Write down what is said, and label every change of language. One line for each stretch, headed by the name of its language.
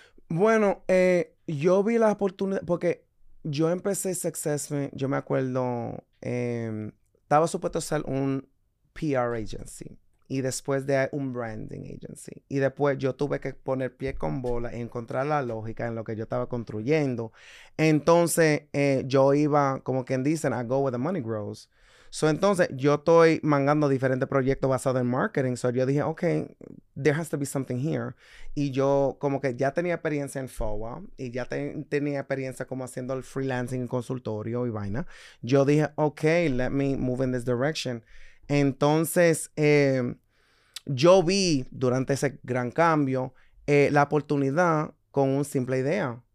Spanish: Bueno, yo vi la oportunidad, porque yo empecé Successman, yo me acuerdo, estaba supuesto ser un PR agency y después de un branding agency. Y después yo tuve que poner pie con bola y encontrar la lógica en lo que yo estaba construyendo. Entonces, yo iba, como quien dicen, I go where the money grows. So, entonces, yo estoy mangando diferentes proyectos basados en marketing.
English: So, yo dije, okay, there has to be something here.
Spanish: Y yo como que ya tenía experiencia en FOA y ya tenía experiencia como haciendo el freelancing en consultorio y vaina. Yo dije, okay, let me move in this direction. Entonces, yo vi durante ese gran cambio la oportunidad con una simple idea.